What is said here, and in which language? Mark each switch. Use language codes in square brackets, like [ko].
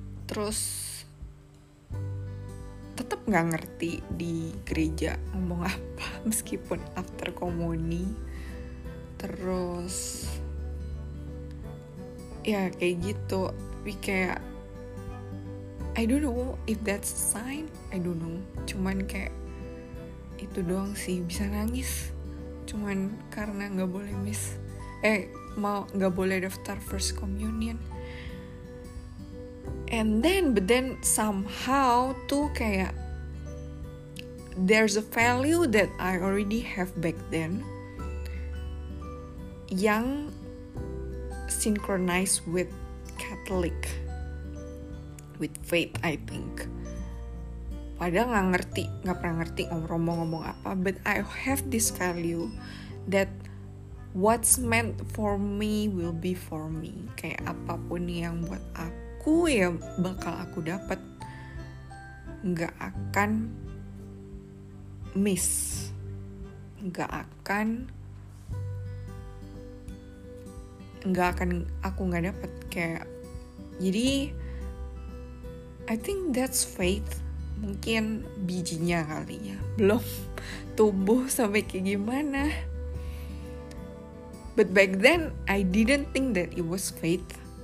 [id] Terus tetap gak ngerti di gereja ngomong apa meskipun after komuni. Terus ya kayak gitu. Tapi kayak [en] I don't know if that's a sign, I don't know. [id] Cuman kayak itu doang sih, bisa nangis. Cuman karena gak boleh miss, mau gak boleh daftar first communion. [en] And then, but then somehow [id] tuh kayak [en] there's a value that I already have back then yang synchronized with Catholic, with faith, I think. [id] Padahal gak ngerti, gak pernah ngerti ngomong-ngomong apa, [en] but I have this value that what's meant for me will be for me. [id] Kayak apapun yang buat aku ya bakal aku dapat, gak akan miss, gak akan aku gak dapat. Kayak jadi [en] I think that's faith. [id] Mungkin bijinya kali ya belum tumbuh sampai kayak gimana. [en] But back then I didn't think that it was faith.